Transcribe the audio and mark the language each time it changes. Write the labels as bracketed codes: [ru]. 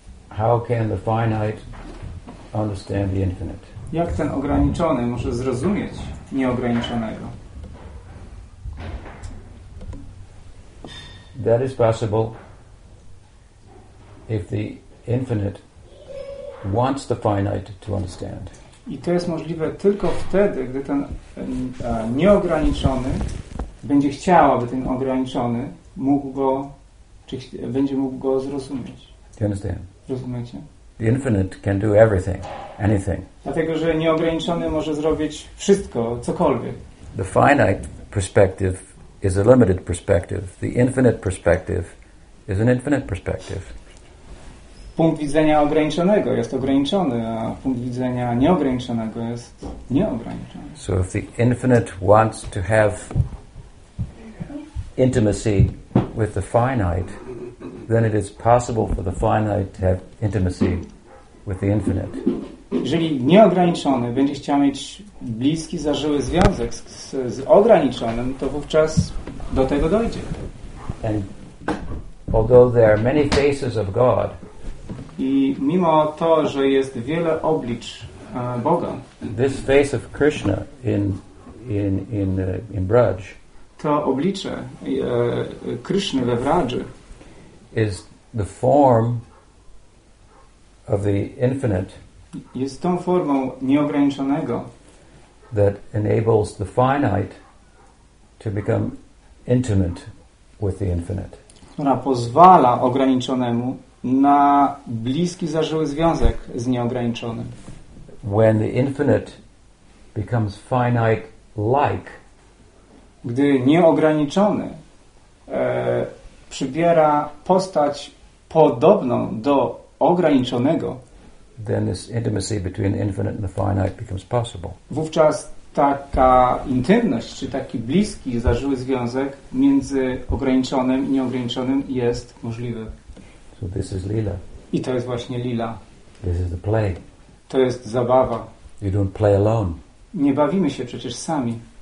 [en] How can the finite understand the infinite? [pl] Jak ten ograniczony może zrozumieć nieograniczonego? [en] That is possible if the infinite wants the finite to understand. [pl] I to jest możliwe tylko wtedy, gdy ten nieograniczony będzie chciał, aby ten ograniczony mógł go zrozumieć. [en] You understand? [pl] Rozumiecie? [en] The infinite can do everything, anything. [pl] Dlatego, że nieograniczony może zrobić wszystko, cokolwiek. [en] The finite perspective is a limited perspective. The infinite perspective is an infinite perspective. [pl] Punkt widzenia ograniczonego jest ograniczony, a punkt widzenia nieograniczonego jest nieograniczony. [en] So if the infinite wants to have intimacy with the finite, then it is possible for the finite to have intimacy with the infinite. [pl] Jeżeli nieograniczony będzie chciał mieć bliski, zażyły związek z ograniczonym, to wówczas do tego dojdzie. [en] And although there are many faces of God, [pl] i mimo to, że jest wiele oblicz Boga, [en] this face of Krishna in Braj, [pl] to oblicze Kryszny we Wradży, [en] is the form of the infinite, [pl] jest tą formą nieograniczonego, [en] that enables the finite to become intimate with the infinite, [pl] która pozwala ograniczonemu na bliski, zażyły związek z nieograniczonym. [en] When the infinite becomes finite like, [pl] gdy nieograniczony przybiera postać podobną do ograniczonego, [en] then this intimacy between the infinite and the finite becomes possible. [pl] Wówczas taka intymność, czy taki bliski, zażyły związek między ograniczonym i nieograniczonym jest możliwy. [en] So this is lila. [pl] I to jest właśnie lila. [en] This is the play. [pl] To jest zabawa. [en] You don't play alone. [pl] Nie bawimy się przecież sami.